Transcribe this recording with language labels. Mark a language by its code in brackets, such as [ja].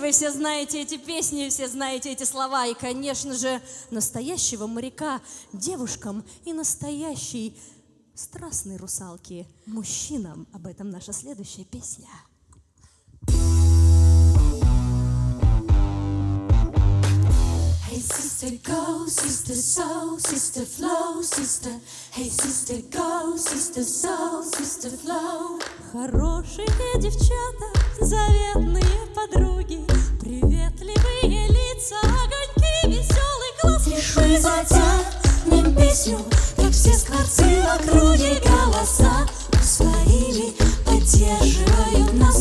[ru] Вы все знаете эти песни, все знаете эти слова. И, конечно же, настоящего моряка девушкам и настоящей страстной русалки мужчинам. Об этом наша следующая песня. [en] Hey, sister, go, sister, soul, sister, flow, sister. Hey, sister, go, sister, soul, sister, flow. [ru] Хорошие девчата, заветные подруги, приветливые лица, огоньки, веселый глаз. Тишу затянем песню, как все скворцы в округе. Голоса усвоили, поддерживают нас.